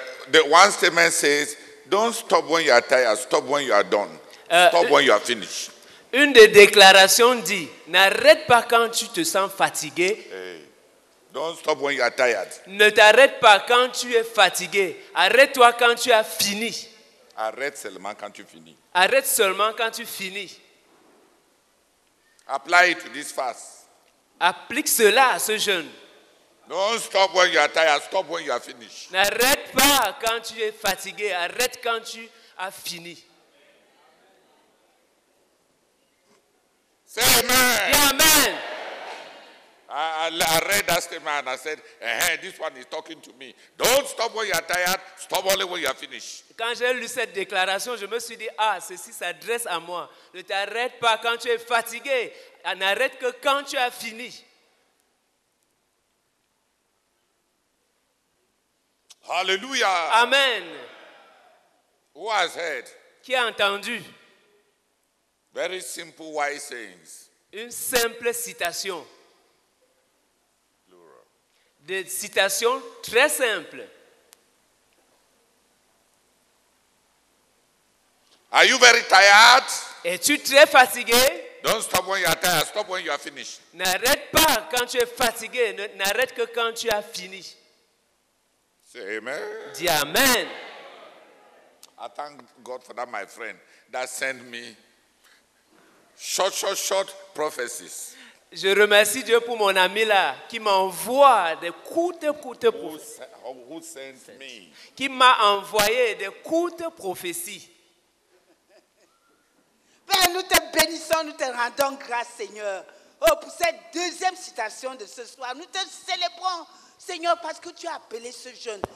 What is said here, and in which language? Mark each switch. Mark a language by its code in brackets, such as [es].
[en] The one statement says, don't stop when you are tired, stop when you are done. Stop when you are finished. [fr] Une des déclarations dit, n'arrête pas quand tu te sens fatigué. [en] Don't stop when you are tired. [fr] Ne t'arrête pas quand tu es fatigué. Arrête-toi quand tu as fini. Arrête seulement quand tu finis. Arrête seulement quand tu finis. [en] Apply it to this fast. [fr] Applique cela à ce jeûne. [en] Don't stop when you are tired. Stop when you are finished. [fr] N'arrête pas quand tu es fatigué. Arrête quand tu as fini. [en] Say amen. Yeah, amen. I read that statement and I said, hey, this one is talking to me. Don't stop when you are tired. Stop only when you are finished. [fr] Quand j'ai lu cette déclaration, je me suis dit, ah, ceci s'adresse à moi. Ne t'arrête pas quand tu es fatigué. N'arrête que quand tu as fini. Hallelujah. Amen. [en] Who has heard? [fr] Qui a entendu? [en] Very simple wise sayings. [fr] Une simple citation. Des citations très simples. [en] Are you very tired? [fr] Es-tu très fatigué? [en] Don't stop when you are tired. Stop when you are finished. [fr] N'arrête pas quand tu es fatigué. N'arrête que quand tu as fini. [en] Say amen. [fr] Dis amen. [en] I thank God for that, my friend, that sent me short prophecies. [fr] Je remercie Dieu pour mon ami là qui m'envoie des courtes prophéties. [en] Who sent me? [fr] Qui m'a envoyé des courtes prophéties. Père, nous te bénissons, nous te rendons grâce, Seigneur. Oh, pour cette deuxième citation de ce soir, nous te célébrons, Seigneur, parce que tu as appelé ce jeune.